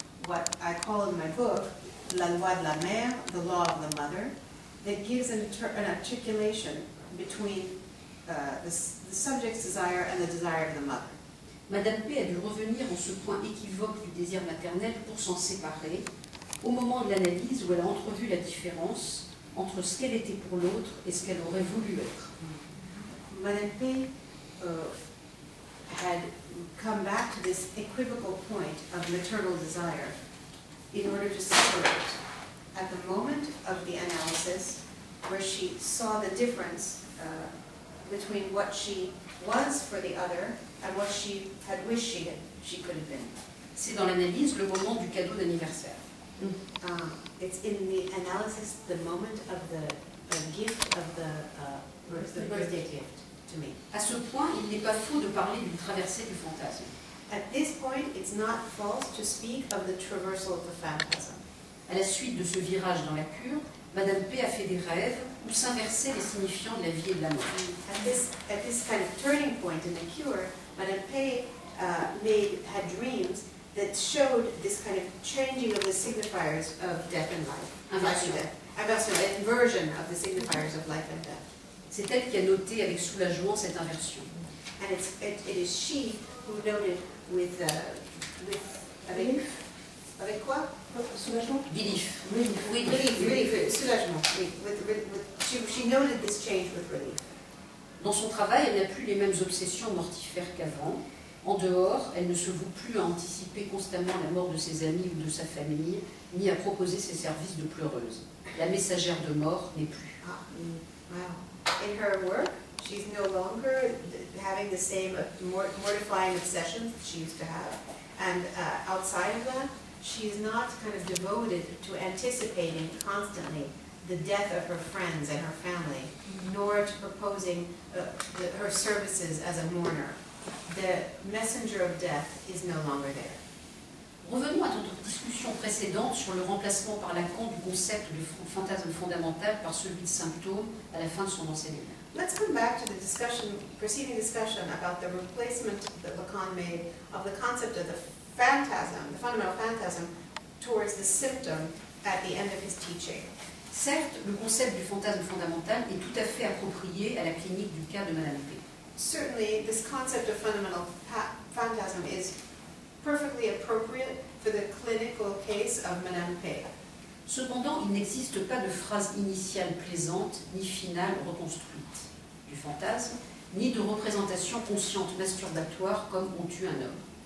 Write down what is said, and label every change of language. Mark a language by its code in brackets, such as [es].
[en] What I call in my book, [fr] La loi de la mère, [en] the law of the mother, that gives an articulation between the subject's desire and the desire of the mother. [fr] Madame P a dû revenir en ce point équivoque du désir maternel pour s'en séparer, au moment de l'analyse où elle a entrevu la différence entre ce qu'elle était pour l'autre et ce qu'elle aurait voulu être. [en] Madame P had come back to this equivocal point of maternal desire in order to separate at the moment of the analysis where she saw the difference between what she was for the other and what she had wished she could have been. [fr] C'est dans l'analyse le moment du cadeau d'anniversaire. [en] It's in the analysis the moment of the gift of the birthday gift. [fr] À ce point, il n'est pas faux de parler d'une traversée du fantasme. [en] At this point, it's not false to speak of the traversal of the phantasm. [fr] À la suite de ce virage dans la cure, Madame P a fait des rêves où s'inversaient les signifiants de la vie et de la mort. [en] At this kind of turning point in the cure, Madame P had dreams that showed this kind of changing of the signifiers of death and life. Inversion of the signifiers of life and death. [fr] C'est elle qui a noté avec soulagement cette inversion. [en] And it is she who noted she noted this change with relief. [fr] Dans son travail, elle n'a plus les mêmes obsessions mortifères qu'avant. En dehors, elle ne se voue plus à anticiper constamment la mort de ses amis ou de sa famille, ni à proposer ses services de pleureuse. La messagère de mort n'est plus. [en] Ah, wow. In her work, she's no longer having the same mortifying obsessions that she used to have. And outside of that, she is not kind of devoted to anticipating constantly the death of her friends and her family, nor to proposing her services as a mourner. The messenger of death is no longer there. [fr] Revenons à notre discussion précédente sur le remplacement par Lacan du concept de fantasme fondamental par celui de symptôme à la fin de son enseignement. [en] Let's come back to the discussion, preceding discussion about the replacement that Lacan made of the concept of the phantasm, the fundamental phantasm, towards the symptom at the end of his teaching. [fr] Certes, le concept du fantasme fondamental est tout à fait approprié à la clinique du cas de Madame P. [en] Certainly, this concept of fundamental phantasm is perfectly appropriate for the clinical case of Madame P. [fr] Cependant, il n'existe pas de phrase initiale plaisante ni finale reconstruite du fantasme, ni de représentation consciente masturbatoire comme on tue un homme.